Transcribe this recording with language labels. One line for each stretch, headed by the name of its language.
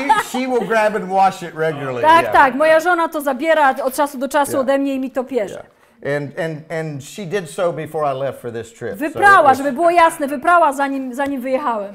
English: She will grab and wash it regularly.
Polish: Tak,
English: yeah.
Polish: Tak. Moja żona to zabiera od czasu do czasu ode mnie i mi to pierze.
English: Yeah. And she did so before I left for this trip.
Polish: Wyprała, so żeby było jasne, wyprała zanim wyjechałem.